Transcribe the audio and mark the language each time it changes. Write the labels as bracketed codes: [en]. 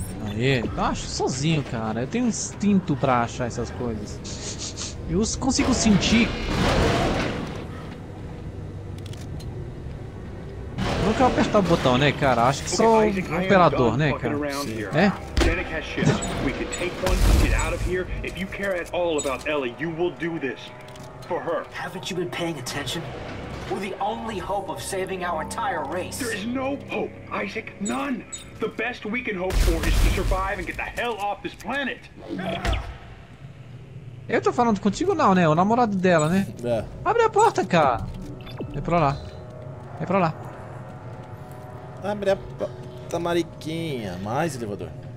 [pt] Aê, eu acho sozinho, cara. Eu tenho instinto pra achar essas coisas. Eu consigo sentir. Não quero apertar o botão, né, cara? Acho que só o operador, né, cara? [en] É? Genic has ships. We can take one and get out of here. If you care at all about Ellie, you will do this. For her. Haven't you been paying attention? We're the only hope of saving our entire race. There is no hope, Isaac. None. The best we can hope for is to survive and get the hell off this planet. [pt] Eu tô falando contigo não, né? O namorado dela, né? É. Abre a porta, cara. É pra lá. É pra lá. Abre a porta, mariquinha. Mais elevador.